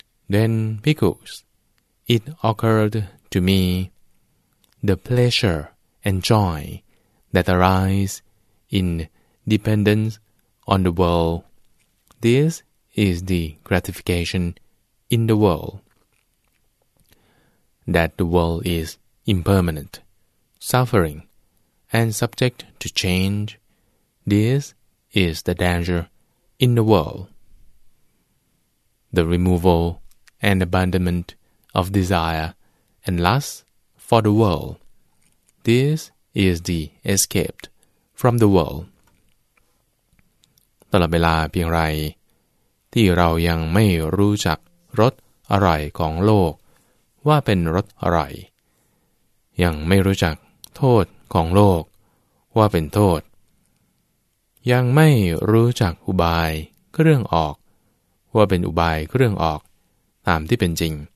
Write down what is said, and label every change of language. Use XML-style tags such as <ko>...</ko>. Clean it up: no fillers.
<en>Then, bhikkhus, it occurred to me, the pleasure and joy that arise in dependence on the world, this is the gratification in the world, that the world is impermanent, suffering, and subject to change, this is the danger in the world. The removal and abandonment of desire and lust for the world, this is the escape from the world.</en> <th>ตลอดเวลาเพียงไรที่เรายังไม่รู้จักรสอร่อยของโลกว่าเป็นรสอร่อย ยังไม่รู้จักโทษของโลกว่าเป็นโทษยังไม่รู้จักอุบายเครื่องออกว่าเป็นอุบายเครื่องออกตามที่เป็นจริง</th>